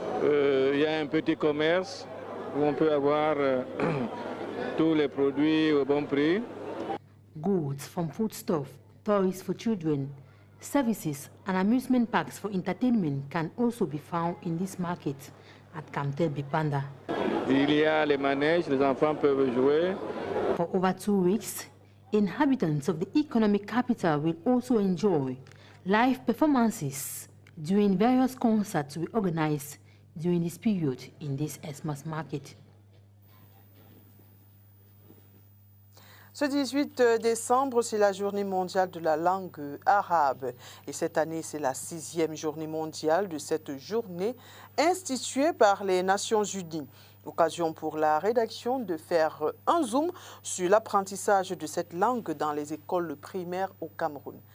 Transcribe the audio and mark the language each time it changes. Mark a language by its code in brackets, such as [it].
[fr] Il y a un petit commerce où on peut avoir tous les produits au bon prix. [en] Goods from foodstuffs, toys for children, services and amusement parks for entertainment can also be found in this market at Kamtel Bipanda. [fr] Il y a les manèges, les enfants peuvent jouer. [en] For over 2 weeks, inhabitants of the economic capital will also enjoy live performances during various concerts we organize during this period in this Esmas market. [fr] Ce 18 décembre, c'est la journée mondiale de la langue arabe. Et cette année, c'est la 6e journée mondiale de cette journée instituée par les Nations Unies. Occasion pour la rédaction de faire un zoom sur l'apprentissage de cette langue dans les écoles primaires au Cameroun.